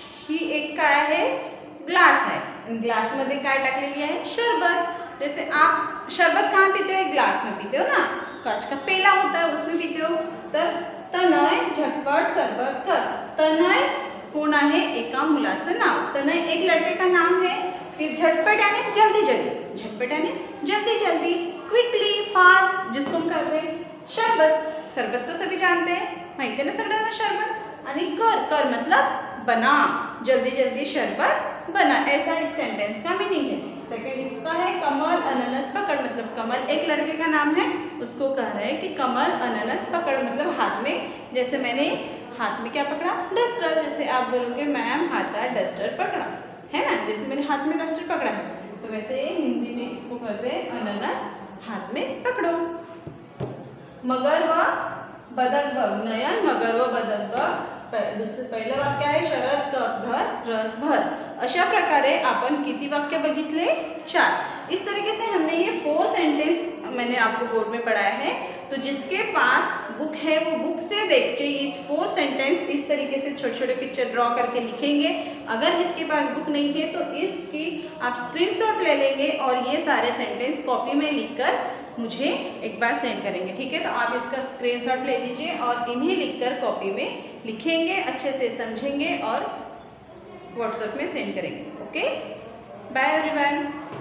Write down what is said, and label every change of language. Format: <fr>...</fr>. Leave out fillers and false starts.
<mr>एक काय आहे? ग्लास आहे। ग्लास मध्ये काय टाकलेली आहे? शरबत।</mr> <hi>जैसे आप शरबत कहाँ पीते हो? ग्लास में पीते हो ना, कांच का पेला होता है उसमें पीते हो।</hi> <mr>तर तनय झटपट शरबत कर। तनय कोण आहे? एका मुलाचं नाव।</mr> <hi>तनय एक लड़के का नाम है। फिर झटपट आने जल्दी जल्दी, झटपट आने जल्दी जल्दी, क्विकली फास्ट, जिसको हम कहते हैं शरबत। शरबत तो सभी जानते हैं,</hi> <mr>माहिती आहे ना सगळ्यांना शरबत।</mr> <hi>आणि कर, कर मतलब बना, जल्दी जल्दी शरबत बना, ऐसा इस सेंटेंस का मीनिंग है। सेकंड इसका है, कमल अननस पकड़, मतलब कमल एक लड़के का नाम है, उसको कह रहे हैं कि कमल अननस पकड़, मतलब हाथ में, जैसे मैंने हाथ में क्या पकड़ा? डस्टर। जैसे आप बोलोगे मैम हाथा डस्टर पकड़ा, है ना, जैसे मैंने हाथ में डस्टर पकड़ा है, तो वैसे हिंदी में इसको कहते हैं अननस, हाथ में पकड़ो। मगर व</hi> <mr>बदक भव नयन मगर व बदक भव</mr> <hi>दूसरे पहले वाक्य है</hi> <mr>शरद कप भर रस भर। अशा प्रकारे आपण किती वाक्य बघितले, चार।</mr> <hi>इस तरीके से हमने ये फोर सेंटेंस मैंने आपको बोर्ड में पढ़ाया है, तो जिसके पास बुक है वो बुक से देख के ये फोर सेंटेंस इस तरीके से छोटे छोटे पिक्चर ड्रॉ करके लिखेंगे। अगर जिसके पास बुक नहीं है तो इसकी आप स्क्रीनशॉट ले लेंगे और ये सारे सेंटेंस कॉपी में लिख कर मुझे एक बार सेंड करेंगे, ठीक है। तो आप इसका स्क्रीनशॉट ले लीजिए और इन्हें लिख कर कॉपी में लिखेंगे, अच्छे से समझेंगे और व्हाट्सएप में सेंड करेंगे। Okay, bye everyone.</hi>